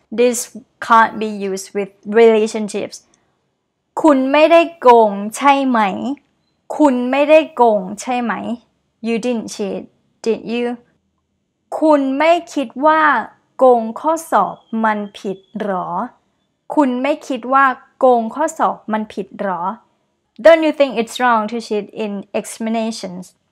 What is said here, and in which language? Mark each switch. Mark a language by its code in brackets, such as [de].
[en] This can't be used with relationships. [th] คุณไม่ได้โกงใช่ไหมคุณไม่ได้โกงใช่ไหม [en] You didn't cheat, did you? [th] คุณไม่คิดว่าโกงข้อสอบมันผิดหรอคุณไม่คิดว่าโกงข้อสอบมันผิดหรอ [en] Don't you think it's wrong to cheat in examinations?